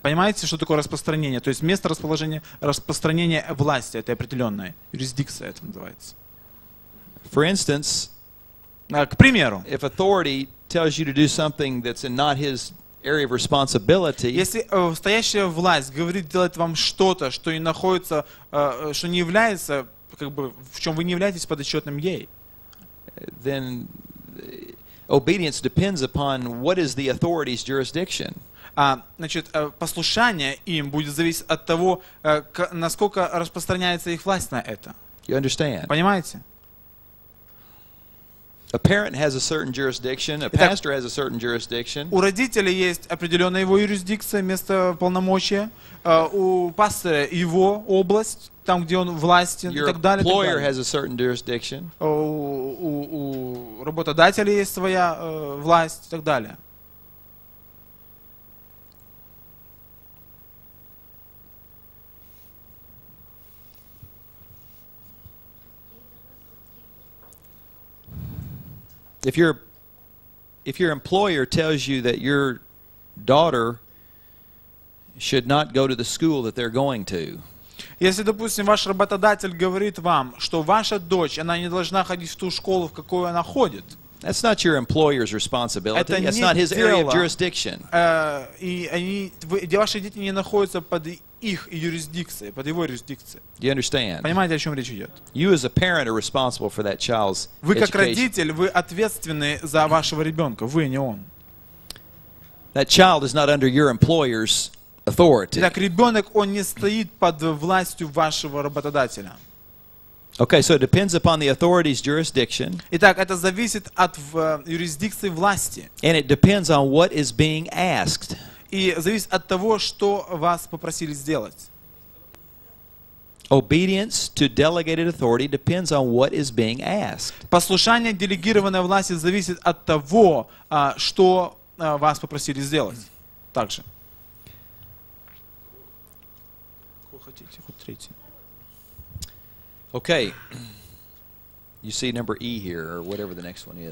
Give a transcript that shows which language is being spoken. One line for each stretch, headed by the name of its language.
Russian: Понимаете, что такое распространение? То есть место распространения власти этой определенной. Юрисдикция это называется.
English: For instance,
Russian: к примеру,
English: if authority tells you to do something that's not his area of responsibility.
Russian: Если стоящая власть говорит делать вам что-то, что не находится, что не является, как бы, в чем вы не являетесь подотчетным ей,
English: then obedience depends upon what is the authority's jurisdiction.
Russian: Послушание им будет зависеть от того, насколько распространяется их власть на это.
English: You understand?
Russian: Понимаете?
English: A parent has a certain jurisdiction, a pastor has a certain jurisdiction.
Russian: У родителей есть определённая его юрисдикция, место полномочия, у пастора его область, там где он властен и так далее.
English: Your employer has a certain jurisdiction.
Russian: У работодателя есть своя власть и так далее.
English: If your employer tells you that your daughter should not go to the school that they're going to,
Russian: если, допустим, ваш работодатель говорит вам, что ваша дочь, она не должна ходить в ту школу, в какую она ходит,
English: that's not your employer's responsibility. That's not his area of jurisdiction.
Russian: И ваши дети не находятся под их юрисдикцией, под его юрисдикцией.
English: Do you understand?
Russian: Понимаете, о чем речь идет?
English: You as a parent are responsible for that child's education.
Russian: Вы как родитель, вы ответственны за вашего ребенка. Вы, не он.
English: That child is not under your employer's authority.
Russian: Так ребенок, он не стоит под властью вашего работодателя.
English: Okay, so it depends upon the authority's jurisdiction.
Russian: Итак, это зависит от юрисдикции власти.
English: And it depends on what is being asked.
Russian: И зависит от того, что вас попросили сделать.
English: Obedience to delegated authority depends on what is being asked.
Russian: Послушание делегированной власти зависит от того, что вас попросили сделать. Также. Какой хотите, хоть третий.
English: Okay, you see number E here, or whatever the next one is.